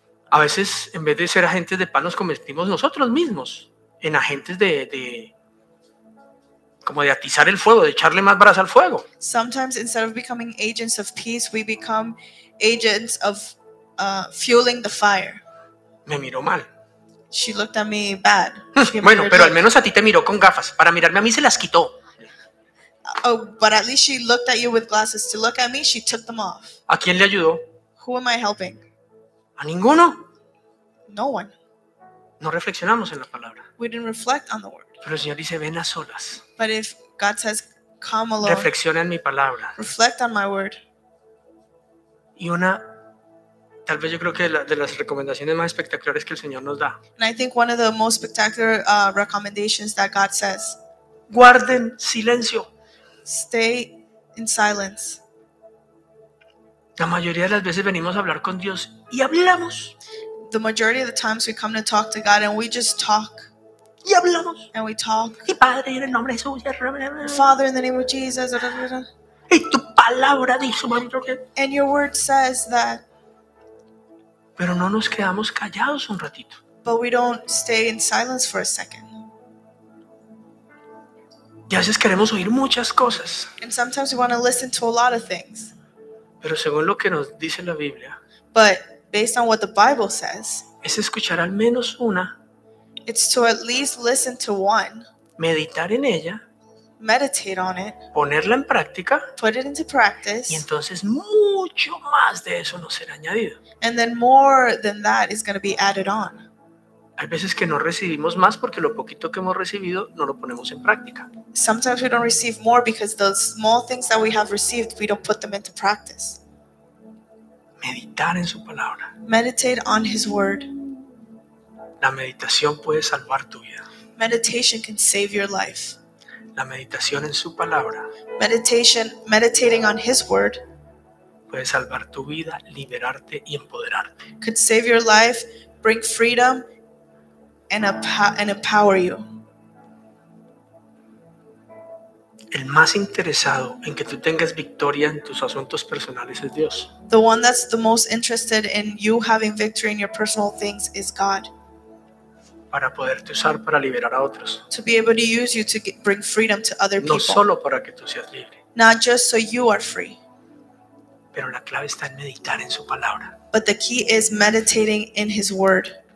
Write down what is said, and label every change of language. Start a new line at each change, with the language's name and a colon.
Spanish: A veces, en vez de ser agentes de paz, nos convertimos nosotros mismos en agentes de como de atizar el fuego, de echarle más brasa al fuego.
English: Sometimes instead of becoming agents of peace, we become agents of fueling the fire.
Spanish: me miró mal.
English: She looked at me bad.
Spanish: Bueno, pero al menos a ti te miró con gafas. Para mirarme a mí se las quitó.
English: Oh, but at least she looked at you with glasses. To look at me, she took them off.
Spanish: ¿A quién le ayudó?
English: Who am I helping?
Spanish: A ninguno.
English: No one.
Spanish: No reflexionamos en la palabra.
English: We didn't reflect on the word.
Spanish: Pero el Señor dice, ven a solas.
English: But if God says, come alone.
Spanish: Reflexiona en mi palabra.
English: Reflect on my word.
Spanish: Y una, tal vez yo creo que de las recomendaciones más espectaculares que el Señor nos da.
English: And I think one of the most spectacular recommendations that God says.
Spanish: Guarden silencio.
English: Stay in silence.
Spanish: La mayoría de las veces venimos a hablar con Dios y hablamos.
English: The majority of the times we come to talk to God and we just talk.
Spanish: Y hablamos.
English: And we talk.
Spanish: Y Padre, en el nombre de Jesús.
English: Father, in the name of Jesus.
Spanish: Y tu palabra dice, Mario, que...
English: And your word says that.
Spanish: Pero no nos quedamos callados un ratito.
English: But we don't stay in silence for a second.
Spanish: Y a veces queremos oír muchas cosas.
English: And sometimes we want to listen to a lot of things.
Spanish: Pero según lo que nos dice la Biblia.
English: But based on what the Bible says.
Spanish: Es escuchar al menos una.
English: It's to at least listen to one.
Spanish: Meditar en ella.
English: Meditate on it.
Spanish: Ponerla en práctica.
English: Put it into practice.
Spanish: Y entonces mucho más de eso nos será añadido.
English: And then more than that is going to be added on.
Spanish: Hay veces que no recibimos más porque lo poquito que hemos recibido no lo ponemos en práctica.
English: Sometimes we don't receive more because the small things that we have received we don't put them into practice.
Spanish: Meditar en su palabra.
English: Meditate on his word.
Spanish: La meditación puede salvar tu vida.
English: Meditation can save your life.
Spanish: La meditación en su palabra.
English: Meditating on his word.
Spanish: Puede salvar tu vida, liberarte y empoderarte.
English: Could save your life, bring freedom and empower you.
Spanish: El más interesado en que tú tengas victoria en tus asuntos personales es Dios.
English: The one that's the most interested in you having victory in your personal things is God.
Spanish: Para poderte usar para liberar a otros.
English: To be able to use you to bring freedom to other people.
Spanish: No solo para que tú seas libre.
English: Not just so you are free.
Spanish: Pero la clave está en meditar en su palabra.
English: But the key is meditating in his word.